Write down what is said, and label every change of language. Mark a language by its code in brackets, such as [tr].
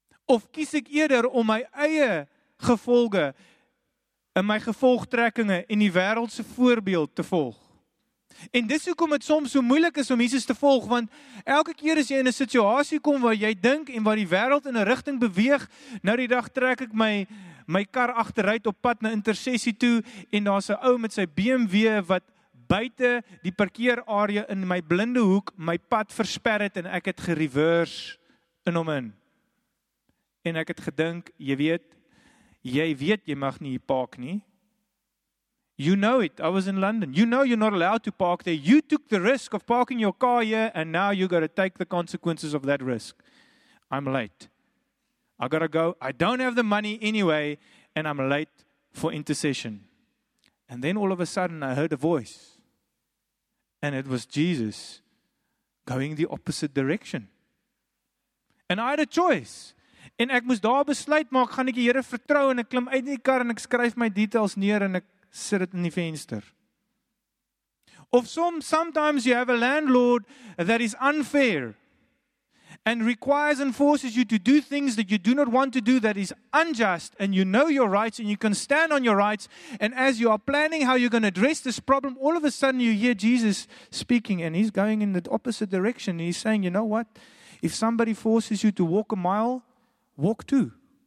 [af] Of kies ek eerder om my eie gevolge en my gevolgtrekkinge in die wereldse voorbeeld te volg? En dis hoekom het soms so moeilik is om Jesus te volg, want elke keer as jy in 'n situasie kom waar jy dink en waar die wereld in 'n rigting beweeg, nou die dag trek ek my kar agteruit op pad na intersessie toe en daar's 'n ou met sy BMW wat buite die parkeerarea in my blinde hoek my pad versper het en ek het gereverse in hom in. En ek het gedink, jy weet jy mag nie park nie. [en] You know it, I was in London. You know you're not allowed to park there. You took the risk of parking your car here and now you got to take the consequences of that risk. I'm late. I got to go. I don't have the money anyway and I'm late for intercession. And then all of a sudden I heard a voice. And it was Jesus going the opposite direction. And I had a choice. [af] En ek moes daar besluit maak, gaan ek die Here vertrou en ek klim uit die kar en ek skryf my details neer en ek sit dit in die venster. [en] Of sometimes you have a landlord that is unfair and requires and forces you to do things that you do not want to do, that is unjust, and you know your rights and you can stand on your rights, and as you are planning how you're going to address this problem, all of a sudden you hear Jesus speaking and he's going in the opposite direction. He's saying, you know what? If somebody forces you to walk a mile, walk two.